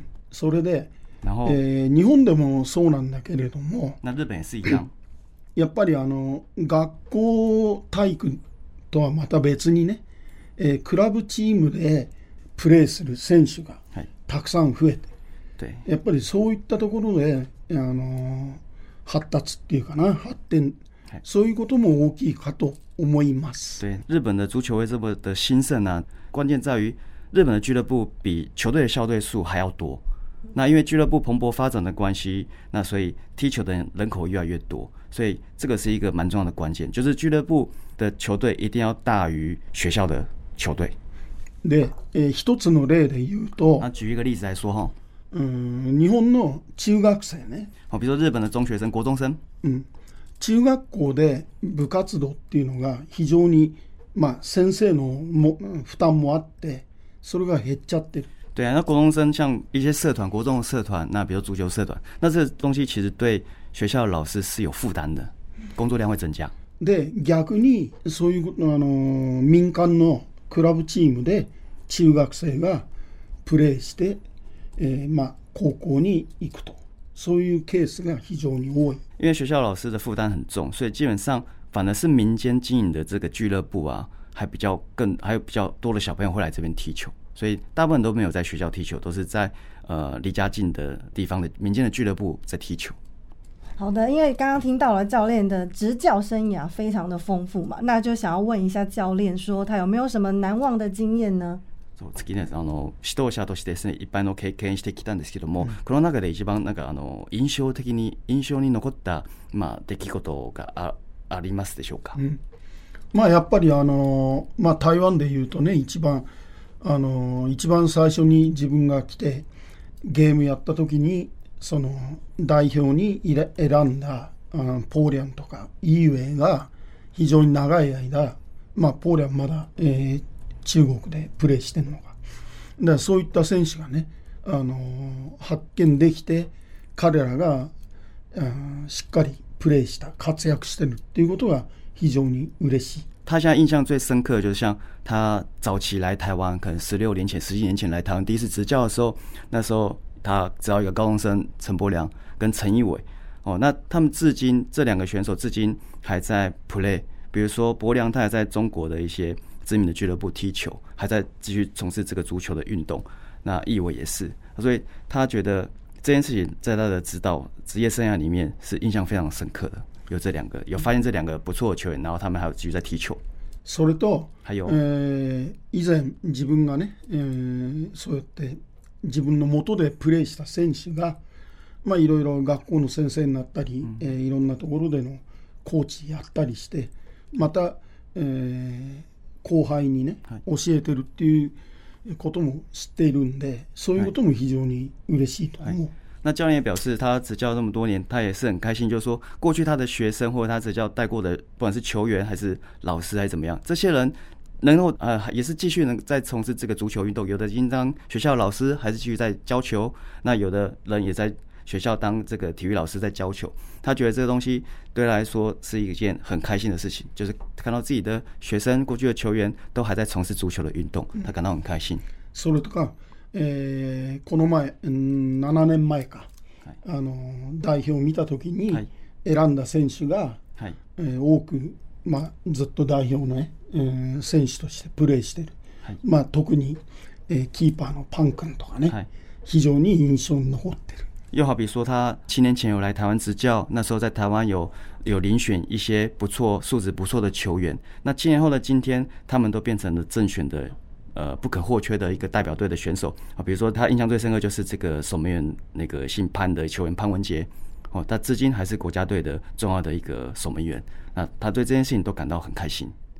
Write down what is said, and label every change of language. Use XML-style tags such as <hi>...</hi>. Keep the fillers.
<ja>それで、えー，日本でもそうなんだけれども、 やっぱりあの学校体育とはまた別にね、えクラブチームでプレーする選手がたくさん増えて、はい、やっぱりそういったところで、あの発達っていうかな、発展、はい、そういうことも大きいかと思います。</ja> <zh>对日本の足球会这么的兴盛在于日本的俱乐部比球队的校队数还要多，那因为俱乐部蓬勃发展的关系，那所以踢球的人人口越来越多，所以这个是一个蛮重要的关键，就是俱乐部的球队一定要大于学校的球队。</zh> <ja>对，诶，一つの例で言うと，那、啊、</ja> <zh>举一个例子来说哈，</zh> <ja>嗯，日本の中学生ね，</ja> <zh>好，比如说日本的中学生，国中生，</zh> <ja>嗯，中学校で部活動っていうのが非常に，嘛，先生のも，嗯，负担もあって。それが減っちゃってる。</ja> <zh>对啊，那国中生像一些社团，国中的社团，那比如足球社团，那这东西其实对学校的老师是有负担的，工作量会增加。</zh> <ja>で逆にそういうあの民間のクラブチームで中学生がプレイして、えー、まあ高校に行くとそういうケースが非常に多い。</ja> <zh>因为学校老师的负担很重，所以基本上反而是民间经的这俱乐部啊。还比较更还有比较多的小朋友会来这边踢球，所以大部分都没有在学校踢球，都是在呃离家近的地方的民间的俱乐部在踢球。好的，因为刚刚听到了教练的执教生涯非常的丰富嘛，那就想要问一下教练，说他有没有什么难忘的经验呢？</zh> <en>そ、okay.</en> <ja>う、嗯、次、嗯、ね、あの指導者として、すねいっぱいの経験してきたんですけども、この中で一番なんかあの印象的に印象に残ったまあ出来事があありますでしょうか？うん。まあ、やっぱりあのー、まあ、台湾でいうとね一番あのー、一番最初に自分が来てゲームやった時にその代表にいれ選んだあのポーリャンとかイーウェイが非常に長い間、まあ、ポーリャンまだ、えー、中国でプレーしてるのかだそういった選手がねあのー、発見できて彼らが、うん、しっかりプレーした活躍してるっていうことが非常，</ja> <zh>他现在印象最深刻就是像他早期来台湾，可能十六年前、十几年前来台湾第一次执教的时候，那时候他只要一个高中生陈柏良跟陈义伟哦，那他们至今这两个选手至今还在 play，比如说柏良，他还在中国的一些知名的俱乐部踢球，还在继续从事这个足球的运动，那义伟也是，所以他觉得这件事情在他的指导职业生涯里面是印象非常深刻的。有这两个，有发现这两个不错球员，然后他们还有继续在踢球。</zh> <ja>それと、はえ以前自分がね、えー、そうやって自分の元でプレーした選手が、まあ、いろいろ学校の先生になったり、うん、うえいろんなところでのコーチやったりして、また、えー、後輩にね、教えてるっていうことも知っているんで、そういうことも非常に嬉しいと思う、はい。はい</ja> <zh>那教练也表示，他执教那么多年，他也是很开心。就是说过去他的学生或者他执教带过的，不管是球员还是老师还是怎么样，这些人能够呃，也是继续能在从事这个足球运动。有的应当学校老师还是继续在教球，那有的人也在学校当这个体育老师在教球。他觉得这个东西对他来说是一件很开心的事情，就是看到自己的学生过去的球员都还在从事足球的运动，他感到很开心。</zh> <ja>说、嗯嗯えー、この前7年前か、はい、あの代表を見た時に選んだ選手が、はいえー、多く、まあ、ずっと代表の、ねえー、選手としてプレーしてる、はいまあ、特に、えー、キーパーのパン君とかね、はい、非常に印象に残ってる。</ja> <zh>又好比说，他七年前有来台湾执教，那时候在台湾有有遴选一些不错、素质不错的球员。那七年后的今天，他们都变成了正选的呃，不可或缺的一个代表队的选手啊，比如说他印象最深刻就是这个守门员那个姓潘的球员潘文杰，哦，他至今还是国家队的重要的一个守门员，那他对这件事情都感到很开心。</zh>